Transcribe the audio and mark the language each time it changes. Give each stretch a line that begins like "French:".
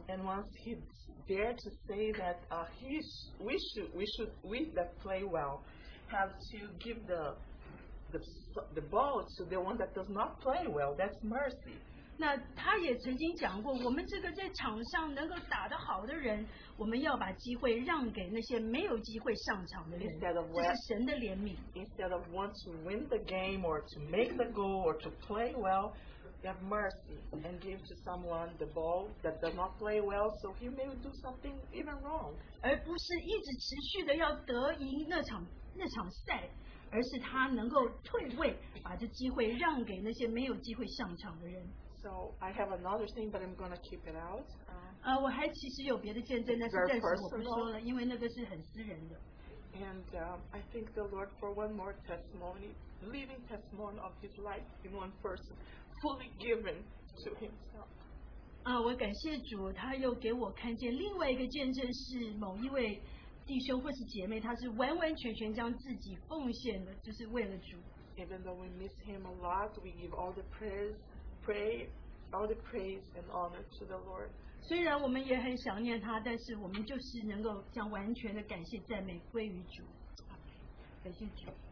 English: And once he dared to say that, we that play well have to give the ball to the one that does not play well. That's mercy.
Chinese: 那他也曾经讲过，我们这个在场上能够打得好的人，我们要把机会让给那些没有机会上场的人。
English: Instead of what?
Chinese: 这是神的怜悯。
English: Instead of want to win the game or to make the goal or to play well, have mercy and give to someone the ball that does not play well, so he may do something even wrong.
Chinese: 而不是一直持续的要得赢那场赛。而是他能够退位，把这机会让给那些没有机会上场的人。
English: So I have another thing, but I'm going to keep it out.
Chinese: 我还其实有别的见证，但是暂时我不说了，因为那个是很私人的。
English: And I thank the Lord for one more testimony, living testimony of His life in one person, fully given to Himself.
Chinese: 我感谢主，他又给我看见另外一个见证，是某一位。弟兄或是姐妹，他是完完全全将自己奉献的，就是为了主。
English: Even though we miss him a lot, we give all the praise and honor to the Lord.
Chinese: 虽然我们也很想念他，但是我们就是能够将完全的感谢赞美归于主。感谢主。